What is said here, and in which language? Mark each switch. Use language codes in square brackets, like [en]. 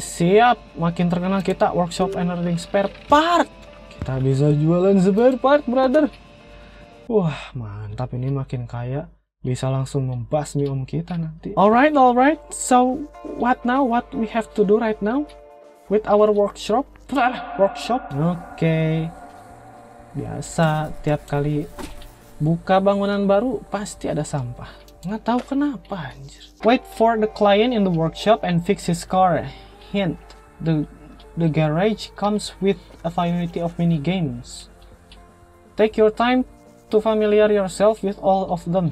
[id] Siap, makin terkenal kita, [en] workshop and earning spare part. [id] Kita bisa jualan spare part, brother. Wah, mantap ini makin kaya. Bisa langsung membasmi om kita nanti. [en] Alright. So, what now? What we have to do right now? With our workshop? Workshop? Okay. [id] Biasa tiap kali buka bangunan baru pasti ada sampah. Nggak tahu kenapa anjir. [en] Wait for the client in the workshop and fix his car. Hint, the garage comes with a variety of mini games. Take your time to familiar yourself with all of them.